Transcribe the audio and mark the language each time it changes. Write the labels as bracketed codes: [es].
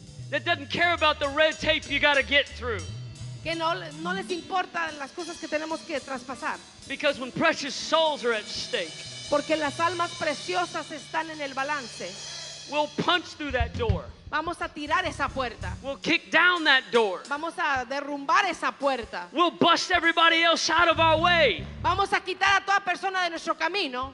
[en] That doesn't care about the red tape you got to get through. [es] Que no les importa las cosas que tenemos que traspasar. [en] Because when precious souls are at stake. [es] Porque las almas preciosas están en el balance. [en] We'll punch through that door. [es] Vamos a tirar esa puerta. [en] We'll kick down that door. [es] Vamos a derrumbar esa puerta. [en] We'll bust everybody else out of our way. [es] Vamos a quitar a toda persona de nuestro camino.